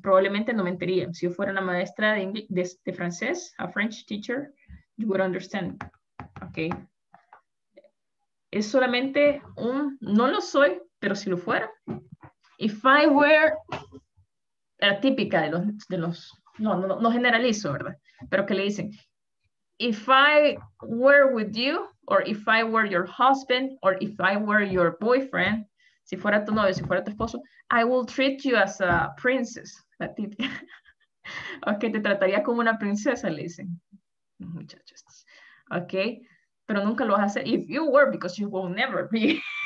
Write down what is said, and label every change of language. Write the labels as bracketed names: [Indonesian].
[Spanish] Probablemente no me enterían. Si yo fuera una maestra de francés, [English] a French teacher, you would understand. [Spanish] Okay. Es solamente un, no lo soy, pero si lo fuera. [English] If I were, [Spanish] era típica no generalizo, ¿verdad? Pero que le dicen, [English] if I were with you, or if I were your husband, or if I were your boyfriend, [Spanish] si fuera tu novio, si fuera tu esposo, [English] I will treat you as a princess. [Spanish] La típica. Ok, te trataría como una princesa, le dicen. Muchachos. Ok, pero nunca lo vas a hacer. [English] If you were, because you will never be.